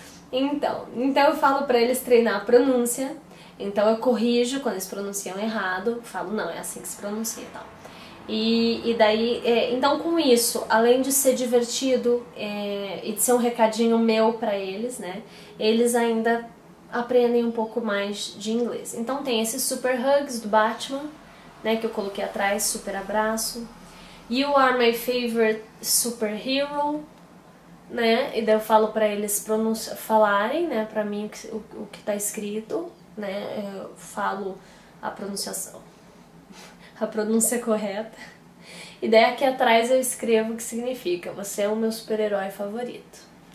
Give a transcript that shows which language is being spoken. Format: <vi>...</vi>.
<pt>Então eu falo para eles treinar a pronúncia, então eu corrijo quando eles pronunciam errado, falo, não, é assim que se pronuncia e tal. E daí, então com isso, além de ser divertido e de ser um recadinho meu para eles, né? Eles ainda aprendem um pouco mais de inglês. Então tem esse Super Hugs do Batman, né, que eu coloquei atrás, super abraço.</pt> <en>You are my favorite superhero, né?</en> <pt>E daí eu falo para eles falarem, né, para mim o que tá escrito, né? Eu falo a pronunciação. A pronúncia correta. E daí aqui atrás eu escrevo o que significa: você é o meu super-herói favorito.</pt>